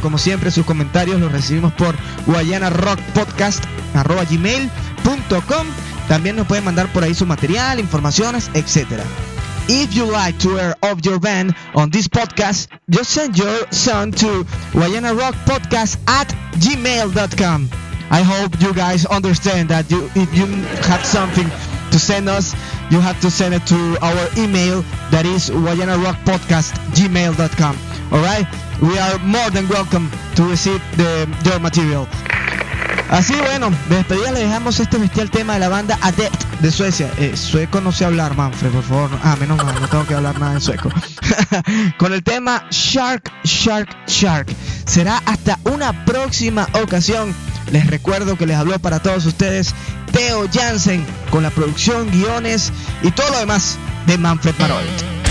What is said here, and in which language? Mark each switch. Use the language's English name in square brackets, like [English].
[Spanish] Como siempre, sus comentarios los recibimos por guayanarockpodcast@gmail.com. También nos pueden mandar por ahí su material, informaciones, etc. [English] If you like to hear of your band on this podcast, just send your song to guayanarockpodcast@gmail.com. I hope you guys understand that you, if you have something to send us, you have to send it to our email, that is guayanarockpodcast@gmail.com. Alright? We are more than welcome to receive the, your material. [Spanish] Así, bueno, de despedida le dejamos este bestial tema de la banda Adept de Suecia. Sueco no sé hablar, Manfred, por favor. Ah, menos mal, no tengo que hablar nada en sueco. Con el tema Shark, Shark, Shark. Será hasta una próxima ocasión. Les recuerdo que les habló para todos ustedes Theo Jansen, con la producción, guiones y todo lo demás de Manfred Parolt.